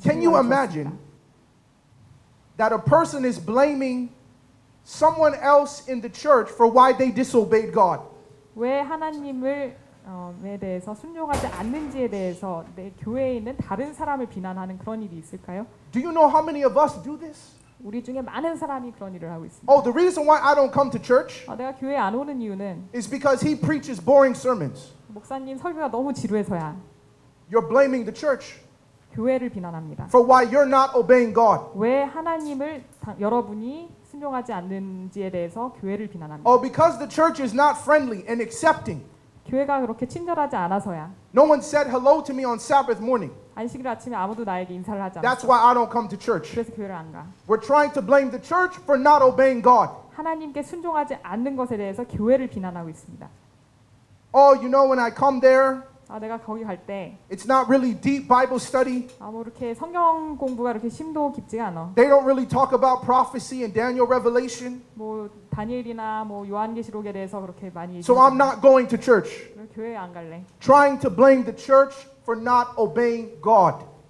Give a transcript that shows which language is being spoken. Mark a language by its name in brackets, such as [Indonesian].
[English] Can you imagine that a person is blaming someone else in the church for why they disobeyed God? [Korean] 왜 하나님을 대해서 순종하지 않는지에 대해서 내 교회에 있는 다른 사람을 비난하는 그런 일이 있을까요? [English] Do you know how many of us do this? [Korean] 우리 중에 많은 사람이 그런 일을 하고 있습니다. [English] Oh, the reason why I don't come to church? [Korean] 내가 교회 안 오는 이유는 [English] is because he preaches boring sermons. [Korean] 목사님 설교가 너무 지루해서야. [English] You're blaming the church. [Korean] 교회를 비난합니다. [English] For why you're not obeying God? [Korean] 왜 하나님을 여러분이 순종하지 않는지에 대해서 교회를 비난합니다. [English] Oh, because the church is not friendly and accepting. [Korean] 교회가 그렇게 친절하지 않아서야. [English] No one said hello to me on Sabbath morning. [Korean] 안식일 아침에 아무도 나에게 인사를 하지 않았어. [English] That's why I don't come to church. [Korean] 그래서 교회를 안 가. [English] We're trying to blame the church for not obeying God. [Korean] 하나님께 순종하지 않는 것에 대해서 교회를 비난하고 있습니다. [English] Oh, you know when I come there? [Korean] 내가 거기 갈 때. [English] It's not really deep Bible study. [Korean] 뭐 이렇게 성경 공부가 이렇게 심도 깊지가 않아. [English] They don't really talk about prophecy and Daniel Revelation. [Korean] 뭐 다니엘이나 뭐 요한계시록에 대해서 그렇게 많이. [English] So I'm not going to church. [Korean] 교회 안 갈래. [English] Trying to blame the church for not obeying God.